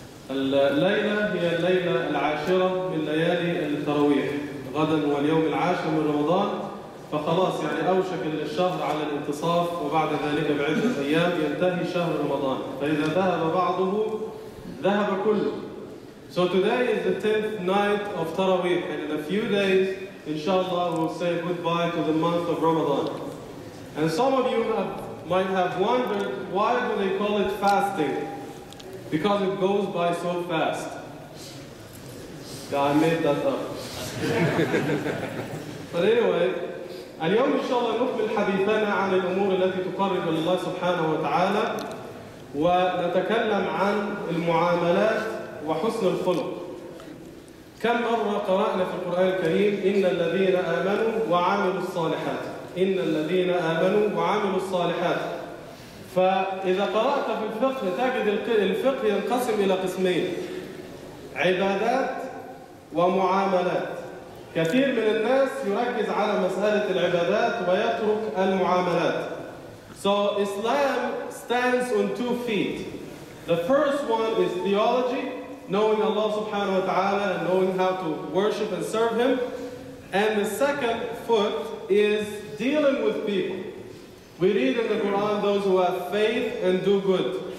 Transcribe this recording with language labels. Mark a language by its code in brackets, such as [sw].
[ar] الليلة هي الليلة العاشرة من ليالي التراويح، غدًا واليوم العاشر من رمضان، فخلاص يعني أوشك الشهر على الانتصاف، وبعد ذلك بعدة أيام ينتهي شهر رمضان، فإذا ذهب بعضه ذهب كله. [en] So today is the 10th night of Taraweeh, and in a few days, inshallah, we'll say goodbye to the month of Ramadan. And some of you might have wondered, why do they call it fasting? Because it goes by so fast. Yeah, I made that up. But anyway, [ar] اليوم إن شاء الله نكمل حديثنا عن الأمور التي تقرب الله سبحانه وتعالى ونتكلم عن المعاملات وحسن الخلق. كم مرة قرأنا في القرآن الكريم إن الذين آمنوا وعملوا الصالحات، إن الذين آمنوا وعملوا الصالحات. فإذا قرأت في الفقه تجد الفقه ينقسم إلى قسمين، عبادات ومعاملات. كثير من الناس يركز على مسألة العبادات ويترك المعاملات. [en] So Islam stands on two feet. The first one is theology, knowing Allah subhanahu wa ta'ala and knowing how to worship and serve Him. And the second foot is dealing with people. We read in the Quran, those who have faith and do good.